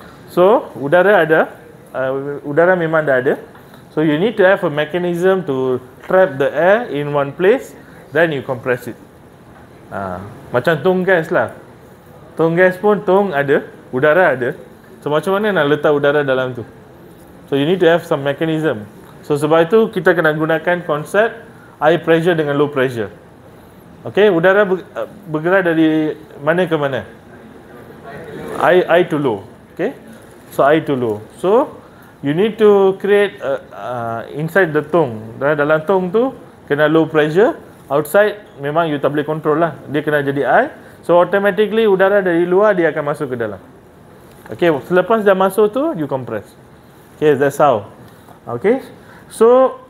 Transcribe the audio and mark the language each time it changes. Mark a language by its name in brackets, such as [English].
[Malay] So udara ada, udara memang dah ada. [English] So you need to have a mechanism to trap the air in one place, then you compress it. [Malay] Macam tong gas lah. Tong gas pun tong ada, udara ada. So macam mana nak letak udara dalam tu? [English] So you need to have some mechanism. [Malay] So sebab itu kita kena gunakan konsep high pressure dengan low pressure. Okay, udara bergerak dari mana ke mana? [English] High to low. Okay, so high to low. So you need to create inside the tong. [Malay] Dalam tong tu kena low pressure. Outside memang you tak boleh control lah. Dia kena jadi air. So automatically udara dari luar dia akan masuk ke dalam. [English] Okay, [Malay] selepas dah masuk tu [English] you compress. Okay, that's how. Okay, so